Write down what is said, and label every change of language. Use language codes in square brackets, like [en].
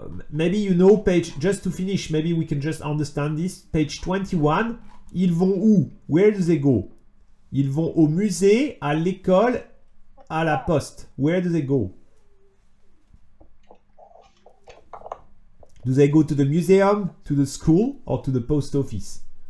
[en] Maybe you know page, just to finish, maybe we can just understand this. [fr] Page 21, ils vont où? [en] Where do they go? [fr] Ils vont au musée, à l'école, à la poste. [en] Where do they go? Do they go to the museum, to the school, or to the post office?